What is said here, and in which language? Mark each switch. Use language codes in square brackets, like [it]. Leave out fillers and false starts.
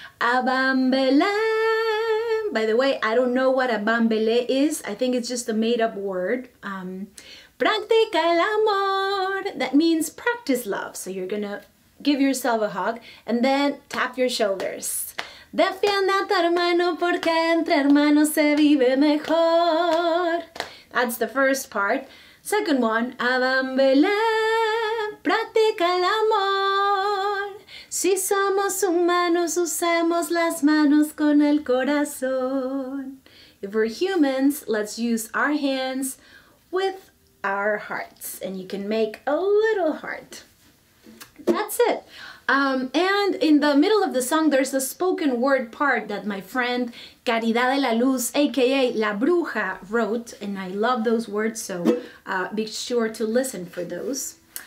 [en] Abambele. By the way, I don't know what Abambele is. I think it's just a made-up word. [es] Practica el amor. [en] That means practice love. So you're gonna give yourself a hug and then tap your shoulders. [es] Defienda a tu hermano porque entre hermanos se vive mejor. [en] That's the first part. Second one, Abambele, [es] practica el amor. Si somos humanos, usemos las manos con el corazón. [en] If we're humans, let's use our hands with our hearts. And you can make a little heart. That's it. And in the middle of the song, there's a spoken word part that my friend Caridad de la Luz, aka La Bruja, wrote, and I love those words, so be sure to listen for those.